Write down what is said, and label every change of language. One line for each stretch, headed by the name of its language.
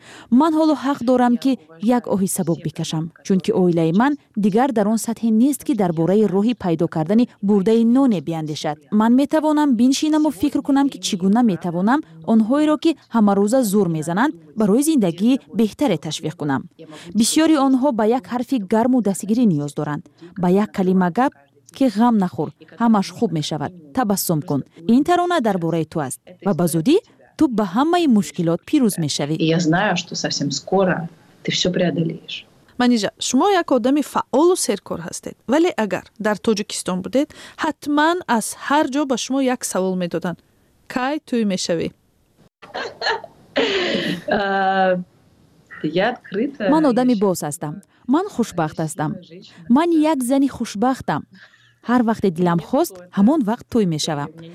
Persian: من حالا حق دارم که یک آهی سبک بکشم چون که اولای من دیگر در آن سطح نیست که درباره روحی پیدا کردن برده نان بیاندیشد من میتوانم بنشینم و فکر کنم که چگونه میتوانم آنهایی را که همه روزه زور میزنند برای زندگی بهتر تشویق کنم بسیاری آنها به یک حرف گرم و دستگیری نیاز دارند به یک کلمه گپ که غم نخور همش خوب میشود تبسم کن این ترانه درباره تو است و به زودی تو به همه مشکلات پیروز میشوی
Russian: я знаю что совсем скоро ты всё преодолеешь
Persian: منیجا شما یک آدم فعال و سرکار هستید ولی اگر در تاجیکستان بودید حتما از هر جا به شما یک سوال میدادن کی توی میشوی من آدم باز هستم من خوشبخت هستم من یک زنی خوشبختم هر وقت دلم خواست همون وقت توی می شوم.